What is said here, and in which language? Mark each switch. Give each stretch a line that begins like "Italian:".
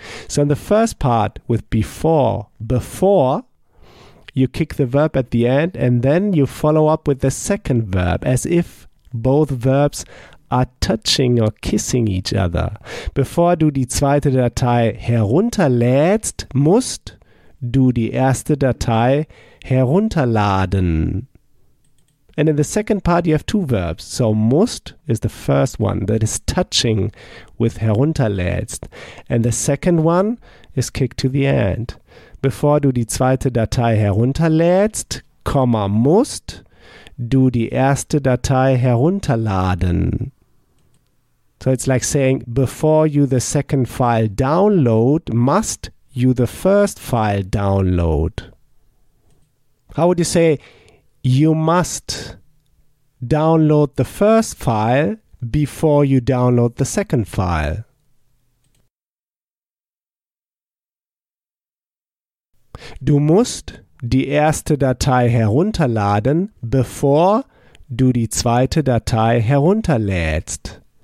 English: So in the first part with before, you kick the verb at the end and then you follow up with the second verb as if both verbs are touching or kissing each other.
German: Bevor du die zweite Datei herunterlädst, musst du die erste Datei herunterladen.
English: And in the second part, you have two verbs. So must is the first one that is touching with herunterlädst. And the second one is kicked to the end.
German: Bevor du die zweite Datei herunterlädst, comma, must du die erste Datei herunterladen.
English: So it's like saying, before you the second file download, must you the first file download. How would you say, you must download the first file before you download the second file?
German: Du musst die erste Datei herunterladen, bevor du die zweite Datei herunterlädst.